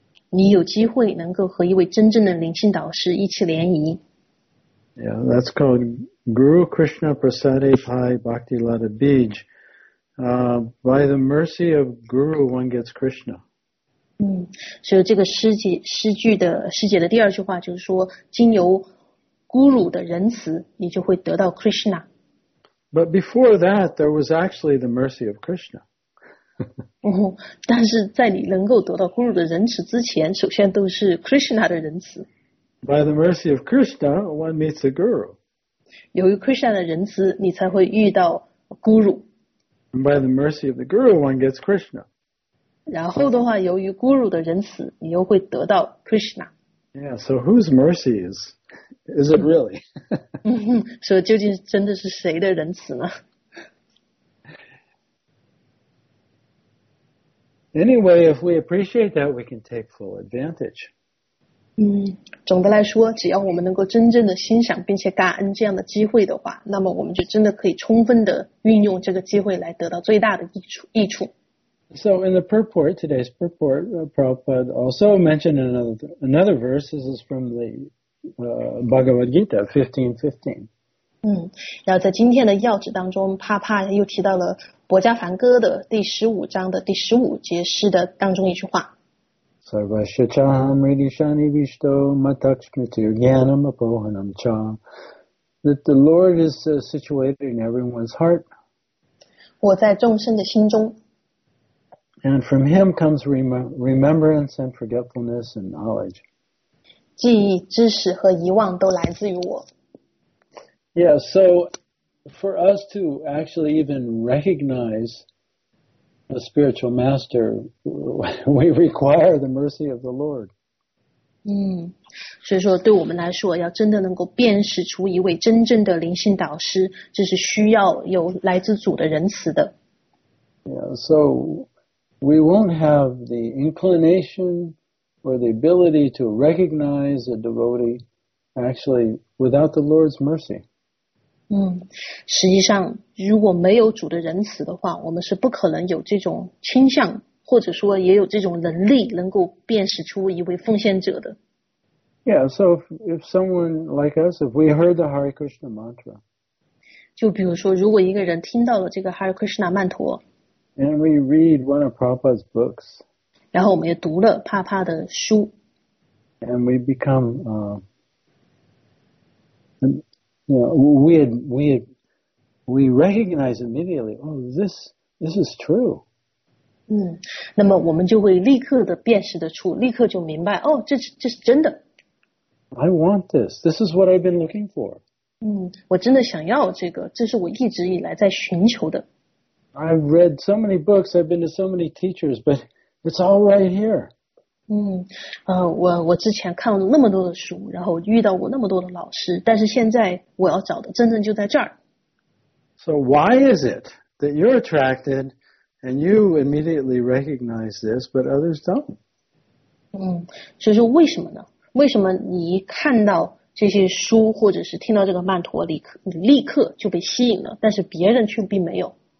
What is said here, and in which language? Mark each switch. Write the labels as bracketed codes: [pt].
[zh] 你有机会能够和一位真正的灵性导师一起联谊。 [en] Yeah, that's called [sa] Guru Krishna Prasade Pai Bhakti Lata Bij. [en] By the mercy of Guru, one gets Krishna. [zh] 所以这个师姐的第二句话就是说，经由 Guru 的仁慈，你就会得到 Krishna. [en] But before that, there was actually the mercy of Krishna. [zh] 但是在你能够得到 Guru 的仁慈之前，首先都是 Krishna 的仁慈。 [en] By the mercy of Krishna, one meets a Guru. [zh] 由于 Krishna 的仁慈，你才会遇到 Guru. [en] And by the mercy of the guru, one gets Krishna. [zh] 然后的话，由于 guru 的仁慈，你又会得到 Krishna。 [en] Yeah, so whose mercy is it really? So [zh] 究竟真的是谁的仁慈呢？ [en] Anyway, if we appreciate that, we can take full advantage. [zh] 总的来说，只要我们能够真正的欣赏并且感恩这样的机会的话，那么我们就真的可以充分的运用这个机会来得到最大的益处。 [en] So in the purport, today's purport, Prabhupada also mentioned another verse. This is from the Bhagavad Gita 15:15. [zh] 然后在今天的要旨当中，帕帕又提到了《薄伽梵歌》的第十五章的第十五节诗的当中一句话。 [sa] Sarva shacham radishani vishto matakshmitir yanam apohanam cha. [en] That the Lord is situated in everyone's heart. [zh] 我在众生的心中。 [en] And from him comes remembrance and forgetfulness and knowledge. [zh] 记忆、知识和遗忘都来自于我。 [en] Yeah, so for us to actually even recognize a spiritual master, we require the mercy of the Lord. [zh] 所以说对我们来说，要真的能够辨识出一位真正的灵性导师，这是需要有来自主的仁慈的。 [en] Yeah, so... We won't have the inclination or the ability to recognize a devotee actually without the Lord's mercy. [zh] 实际上如果没有主的仁慈的话，我们是不可能有这种倾向，或者说也有这种能力能够辨识出一位奉献者的。 [en] Yeah, so if someone like us, if we heard the Hare Krishna mantra, [zh] 就比如说如果一个人听到了这个 Hare Krishna 曼陀， [en] And we read one of Prabhupada's books. [zh] 然后我们也读了帕帕的书。 [en] And we become, we recognize immediately, oh, this is true. [zh] 那么我们就会立刻的辨识得出，立刻就明白，哦，这是真的。 [en] I want this. This is what I've been looking for. [zh] 我真的想要这个，这是我一直以来在寻求的。 [en] I've read so many books, I've been to so many teachers, but it's all right here. [zh] 我之前看了那么多的书，然后遇到过那么多的老师，但是现在我要找的真正就在这儿。 [en] So why is it that you're attracted and you immediately recognize this, but others don't? [zh] 所以说为什么呢？为什么你看到这些书或者是听到这个曼陀，立刻就被吸引了，但是别人却并没有？